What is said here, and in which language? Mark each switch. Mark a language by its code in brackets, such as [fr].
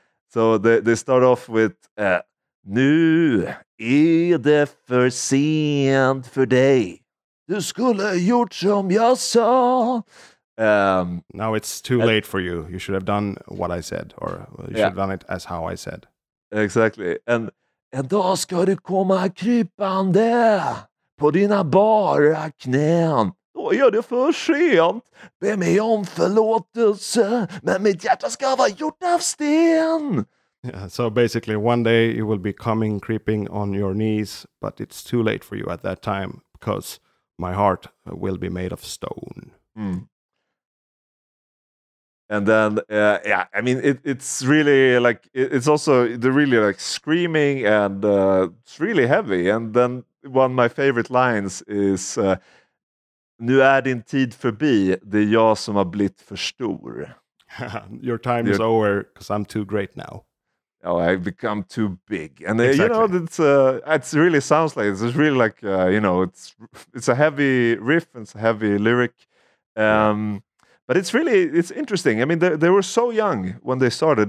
[en] So they start off with [sv] Nu är det för sent för dig. Du skulle gjort som jag sa. [en] Now it's too late for you. You should have done what I said. Or you should have done it as how I said. Exactly. [sv] And en dag ska du komma krypande på dina bara knän. Då gör det för sent. Be mig om förlåtelse, men mitt hjärta ska vara gjort av sten. [en] Yeah, so basically, one day you will be coming, creeping on your knees, but it's too late for you at that time because my heart will be made of stone. Mm. And then, it's really like, it's also the really like screaming and it's really heavy. And then one of my favorite lines is... [sv] Nu är din tid förbi, det är jag som har blivit för stor. [en] Your time is over because I'm too great now. Oh, I've become too big. And exactly. You know, it's really sounds like, it's really like, you know, it's a heavy riff, it's a heavy lyric. But it's really, it's interesting. I mean, they were so young when they started.